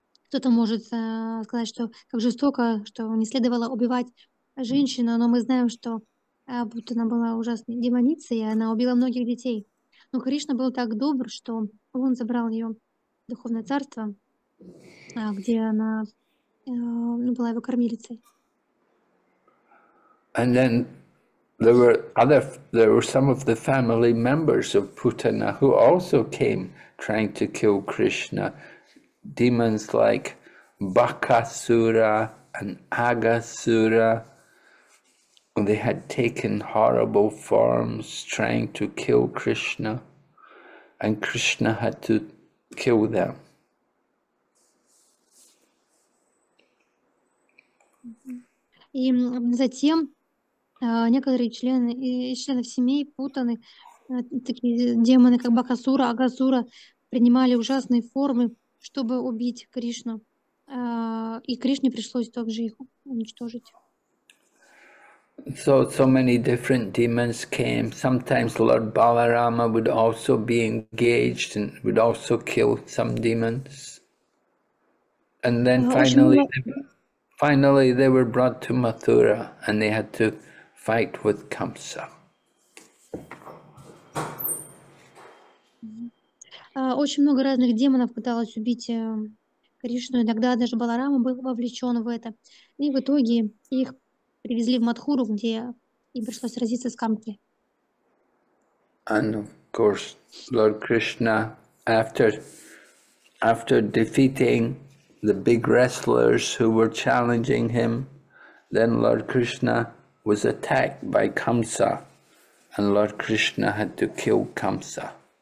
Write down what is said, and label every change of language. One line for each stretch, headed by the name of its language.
Russian: Кто-то может сказать, что как жестоко, что не следовало убивать женщину, но мы знаем, что Путана была ужасной демоницей, и она убила многих детей. Но Кришна был так добр, что он забрал ее в духовное царство, где она была его кормилицей.
English: And then there were some of the family members of Putana who also came trying to kill Krishna, demons like Bakasura and Agasura. They had taken horrible forms trying to kill Krishna, and Krishna had to kill them.
Russian: И затем некоторые члены и членов семей Путаны, такие демоны, как Бакасура, Агасура, принимали ужасные формы, чтобы убить Кришну. И Кришне пришлось также их уничтожить.
English: So many different demons came. Sometimes Lord Balarama would also be engaged and would also kill some demons. And then finally they were brought to Mathura and they had to fight with Kamsa.
Russian: Очень много разных демонов пыталось убить Кришну. Иногда даже Баларама был вовлечен в это. И в итоге их привезли в Матхуру, где им пришлось сразиться с Камки.
English: And of course, Lord Krishna, after defeating the big wrestlers who were challenging him, then Lord Krishna was attacked by Kamsa, and Lord Krishna had to kill Kamsa.